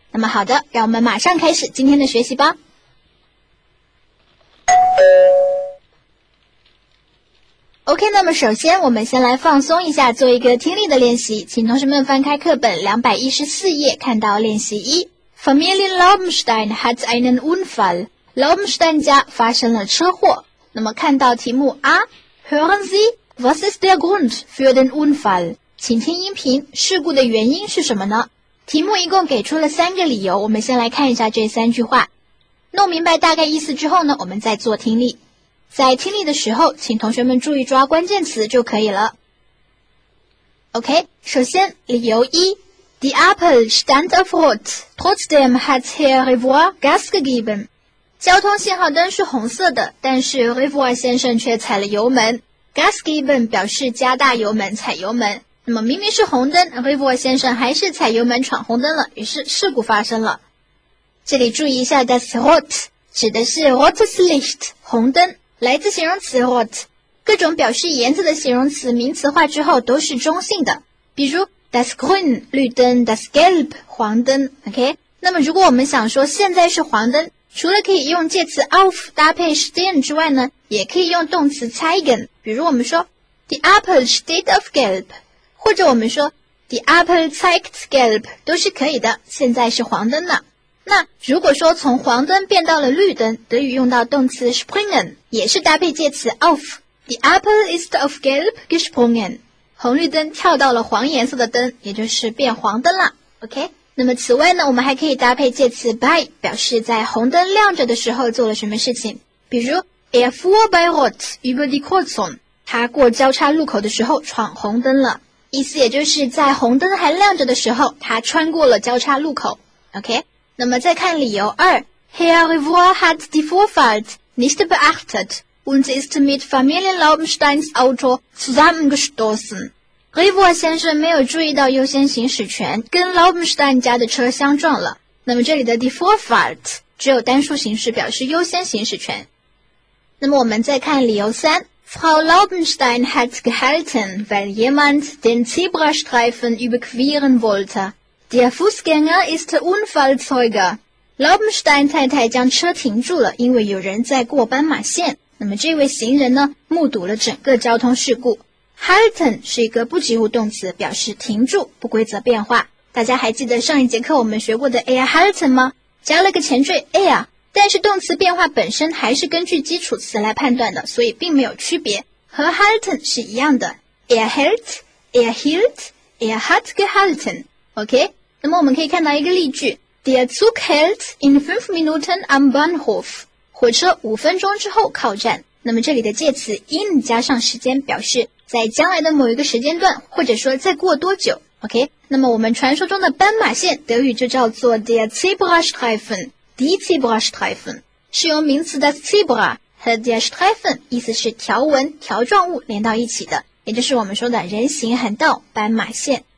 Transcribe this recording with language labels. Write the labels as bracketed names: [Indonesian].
[Chinese] 那么好的，让我们马上开始今天的学习吧。 OK, 那么首先我们先来放松一下，做一个听力的练习。请同学们翻开课本214页，看到练习一。 [German] Familie Laubenstein hat einen Unfall. [Chinese] Laubenstein 家发生了车祸。那么看到题目啊。 [German] Hören Sie, was ist der Grund für den Unfall? [Chinese] 请听音频，事故的原因是什么呢？题目一共给出了三个理由，我们先来看一下这三句话。弄明白大概意思之后呢，我们再做听力。在听力的时候，请同学们注意抓关键词就可以了。 OK, 首先理由一。 [German] Die Ampel stand auf Rot. Trotzdem hat Herr Rivoire Gas gegeben. [Chinese] 交通信号灯是红色的，但是 Rivoire 先生却踩了油门。 Gas geben 表示加大油门，踩油门。那么明明是红灯， Rivoire 先生还是踩油门闯红灯了，于是事故发生了。这里注意一下 ,das Rot 指的是 Rotes Licht, 红灯，来自形容词 Rot。各种表示颜色的形容词名词化之后都是中性的。比如Das Grün, 绿灯 ,Das Gelb, 黄灯 ,OK? 那么如果我们想说现在是黄灯，除了可以用介词 auf 搭配 stehen 之外呢，也可以用动词 zeigen, 比如我们说 , [German] Die Ampel steht auf Gelb, [Chinese] 或者我们说 , [German] Die Ampel zeigt Gelb, [Chinese] 都是可以的，现在是黄灯了。那如果说从黄灯变到了绿灯，德语用到动词 springen, 也是搭配介词 auf, [German] Die Ampel ist auf Gelb gesprungen. [Chinese] 红绿灯跳到了黄颜色的灯，也就是变黄灯了。 OK? 那么此外呢，我们还可以搭配介词 by, 表示在红灯亮着的时候做了什么事情。比如 , [German] er fuhr bei rot über die Kreuzung, [Chinese] 他过交叉路口的时候闯红灯了。意思也就是在红灯还亮着的时候他穿过了交叉路口。 OK? 那么再看理由二。 [German] Herr Rivoire hat die Vorfahrt nicht beachtet. Und ist mit Familie Laubensteins Auto zusammengestoßen. [Chinese] Rivoire 先生没有注意到优先行驶权，跟 Laubenstein 家的车相撞了。那么这里的 die Vorfahrt 只有单数形式，表示优先行驶权。那么我们再看理由三。 [German] Frau Laubenstein hat gehalten, weil jemand den Zebrastreifen überqueren wollte. Der Fußgänger ist Unfallzeuge. [Chinese] Laubenstein 太太将车停住了，因为有人在过斑马线。那么这位行人呢，目睹了整个交通事故。 Halten 是一个不及物动词，表示停住，不规则变化。大家还记得上一节课我们学过的 air halten 吗？加了个前缀 air, 但是动词变化本身还是根据基础词来判断的，所以并没有区别，和 halten 是一样的。 [German] Air hält, air hielt, air hat gehalten. OK? [Chinese] 那么我们可以看到一个例句。 [German] Der Zug hält in 5 Minuten am Bahnhof. [Chinese] 火车五分钟之后靠站。那么这里的介词 in 加上时间，表示在将来的某一个时间段，或者说再过多久。 OK? 那么我们传说中的斑马线，德语就叫做 der Zebrastreifen, die Zebrastreifen, 是由名词的 Zebra 和 der Streifen, 意思是条纹、条状物连到一起的，也就是我们说的人行横道、斑马线。